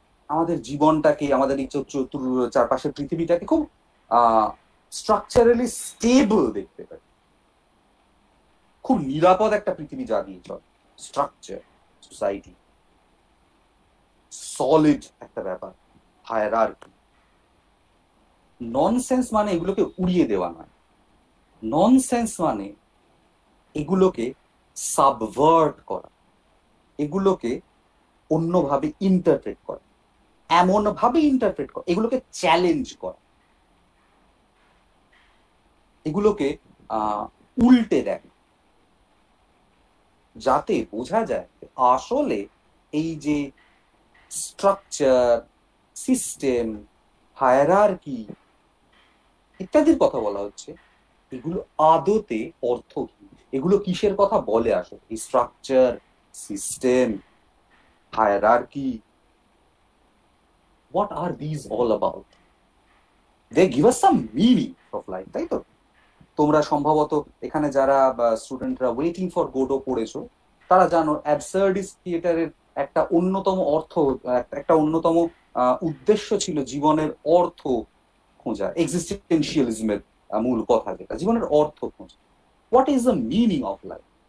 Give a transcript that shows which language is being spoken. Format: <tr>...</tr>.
<bn>আমাদের জীবনটাকে, আমাদের চারপাশের পৃথিবীটাকে খুব স্ট্রাকচারালি স্টেবল দেখতে পাই, খুব নিরাপদ একটা পৃথিবী যা দিয়ে চলে, স্ট্রাকচার, সোসাইটি, সলিড একটা ব্যাপার, হায়ারার্কি। ননসেন্স মানে এগুলোকে উড়িয়ে দেওয়া নয়, ননসেন্স মানে এগুলোকে সাবভার্ট করা, এগুলোকে অন্যভাবে ইন্টারপ্রেট করা, এমন ভাবে ইন্টারপ্রেট কর, এগুলোকে চ্যালেঞ্জ কর, এগুলোকে উল্টে দেখ, যাতে বোঝা যায় আসলে এই যে স্ট্রাকচার, সিস্টেম, হায়ারার্কি ইত্যাদির কথা বলা হচ্ছে, এগুলো আদতে অর্থহীন, এগুলো কিসের কথা বলে আসলে, এই structure, system, hierarchy,</bn> <en>what are these all about? They give us some meaning of life,</en> <bn>তাই তো? তোমরা সম্ভবত এখানে যারা স্টুডেন্টরা ওয়েটিং ফর গোডো পড়েছো, তারা জানো অ্যাবসার্ডিস্ট থিয়েটারের একটা অন্যতম অর্থ, একটা অন্যতম উদ্দেশ্য ছিল জীবনের অর্থ খোঁজা, এক্সিস্টেন্সিয়ালিজমের মূল কথা যেটা, জীবনের অর্থ খোঁজা,</bn> <en>What is the meaning of life.</en>